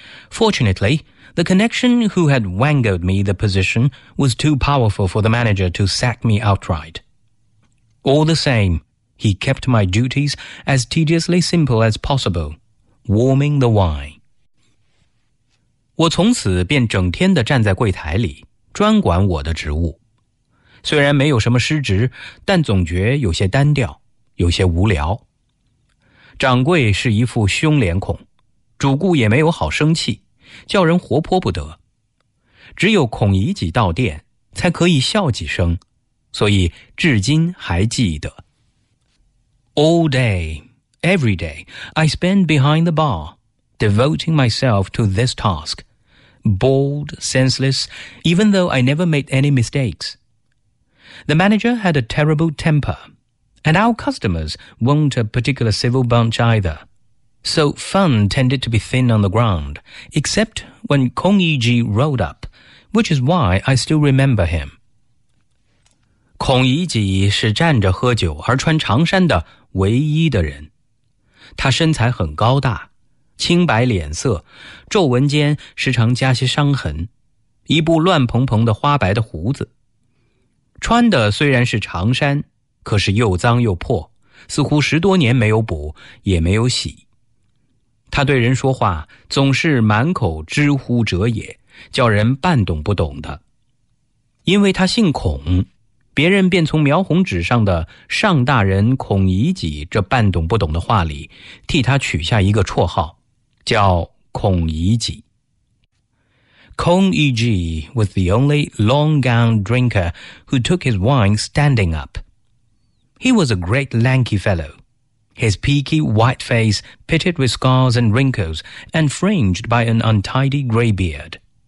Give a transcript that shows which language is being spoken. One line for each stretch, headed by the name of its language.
English: Fortunately,The connection who had wangled me the position was too powerful for the manager to sack me outright. All the same, he kept my duties as tediously simple as possible, warming the wine.
Chinese: 我从此便整天地站在柜台里，专管我的职务。虽然没有什么失职，但总觉有些单调，有些无聊。掌柜是一副凶脸孔，主顾也没有好生气。叫人活泼不得，只有孔乙己到店才可以笑几声，所以至今还记得。
English: All day, every day, I spend behind the bar, devoting myself to this task, bored, senseless, even though I never made any mistakes. The manager had a terrible temper, and our customers weren't a particular civil bunch either, So fun tended to be thin on the ground, except when Kong Yiji rode up, which is why I still remember him.
Chinese: 孔乙己是站着喝酒而穿长衫的唯一的人。他身材很高大，清白脸色，皱纹间时常加些伤痕，一部乱蓬蓬的花白的胡子。穿的虽然是长衫，可是又脏又破，似乎十多年没有补，也没有洗。他对人说话总是满口知乎者也，叫人半懂不懂的。因为他姓孔，别人便从描红纸上的上大人孔乙己这半懂不懂的话里替他取下一个绰号，叫孔乙己。
English: Kong Yiji was the only long-gowned drinker who took his wine standing up. He was a great lanky fellow. His peaky white face pitted with scars and wrinkles and fringed by an untidy grey beard.